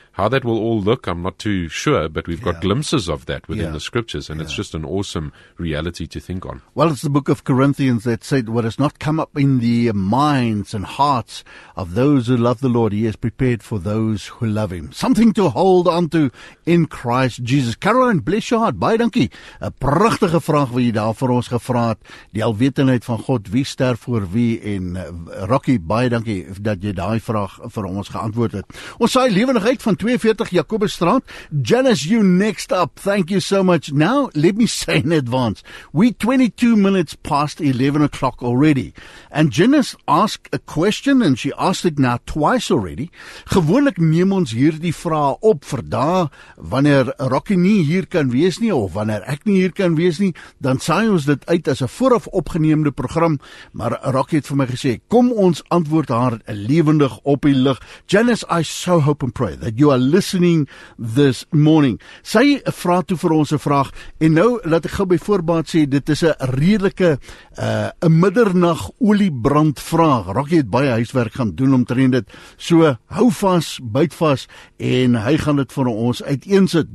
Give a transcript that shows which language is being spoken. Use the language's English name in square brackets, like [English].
[English] How that will all look, I'm not too sure, but we've got glimpses of that within the scriptures, and it's just an awesome reality to think on. Well, it's the book of Corinthians that said, what has not come up in the minds and hearts of those who love the Lord, he has prepared for those who love him. Something to hold on to in Christ Jesus. Caroline, bless your heart. [Afrikaans] Baie dankie. A prachtige vraag wat jy daar vir ons gevra het. Die alwetendheid van God, wie sterf voor wie? En Rocky, baie dankie dat jy daai vraag vir ons geantwoord het. Ons saai lewendigheid van 42 Jacobusstraat. [English] Janice, you next up. Thank you so much. Now, let me say in advance, we 22 minutes past 11 o'clock already. And Janice asked a question, and she asked it now twice already. [Afrikaans] Gewoonlik neem ons hier die vraag op vir daar, wanneer Rocky nie hier kan wees nie, of wanneer ek nie hier kan wees nie, dan saai ons dit uit as 'n vooraf opgeneemde program. Maar Rocky het vir my gesê, kom ons antwoord haar lewendig op die lig. [English] Janice, I so hope and pray that you are listening this morning. [Afrikaans] Sy vra toe vir ons 'n vraag, en nou laat ek gou by voorbaat sê, dit is 'n redelike 'n middernag oliebrand vraag. Rocky het baie huiswerk gaan doen omtrent dit. So hou vas, byt vas, en hy gaan dit vir ons uiteensit.